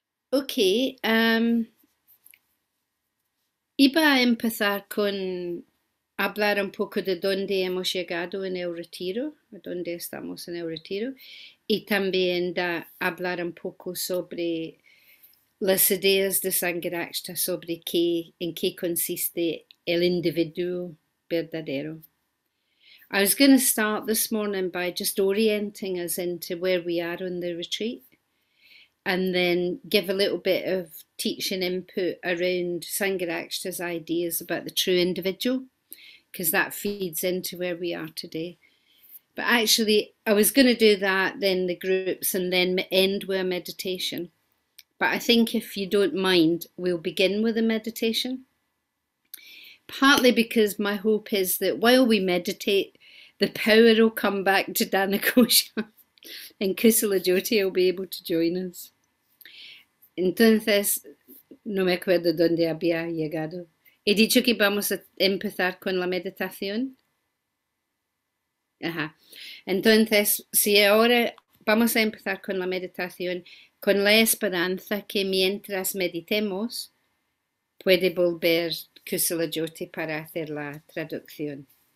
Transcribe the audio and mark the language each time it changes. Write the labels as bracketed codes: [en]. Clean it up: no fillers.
[es] Okay, iba a empezar con hablar un poco de dónde hemos llegado en el retiro, dónde estamos en el retiro, y también hablar un poco sobre las ideas de Sangharakshita sobre en qué consiste el individuo verdadero. [en] I was going to start this morning by just orienting us into where we are on the retreat. And then give a little bit of teaching input around Sangharakshita's ideas about the true individual, because that feeds into where we are today. But actually, I was going to do that, then the groups, and then end with a meditation. But I think if you don't mind, we'll begin with a meditation. Partly because my hope is that while we meditate, the power will come back to Dhanakosha and Kusala Jyoti will be able to join us. [es] Entonces, no me acuerdo dónde había llegado. He dicho que vamos a empezar con la meditación. Ajá. Entonces, si ahora vamos a empezar con la meditación, con la esperanza que mientras meditemos, puede volver Kusala Jyoti para hacer la traducción.